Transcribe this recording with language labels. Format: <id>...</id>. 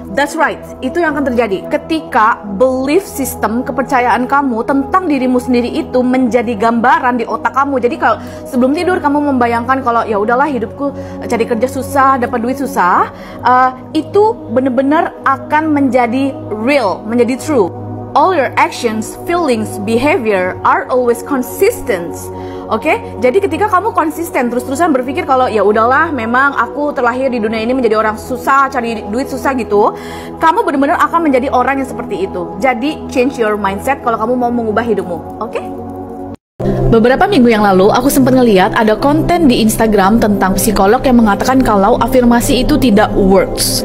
<en>That's right,</en> <id>itu yang akan terjadi. Ketika belief system, kepercayaan kamu tentang dirimu sendiri itu menjadi gambaran di otak kamu. Jadi kalau sebelum tidur kamu membayangkan kalau ya udahlah hidupku cari kerja susah, dapat duit susah, itu benar-benar akan menjadi real, menjadi true.</id> <en>All your actions, feelings, behavior are always consistent.</en> <id>Oke? Jadi ketika kamu konsisten terus-terusan berpikir kalau ya udahlah memang aku terlahir di dunia ini menjadi orang susah, cari duit susah gitu, kamu benar-benar akan menjadi orang yang seperti itu. Jadi</id> <en>change your mindset</en> <id>kalau kamu mau mengubah hidupmu. Oke? Beberapa minggu yang lalu, aku sempat ngeliat ada konten di Instagram tentang psikolog yang mengatakan kalau afirmasi itu tidak works.</id>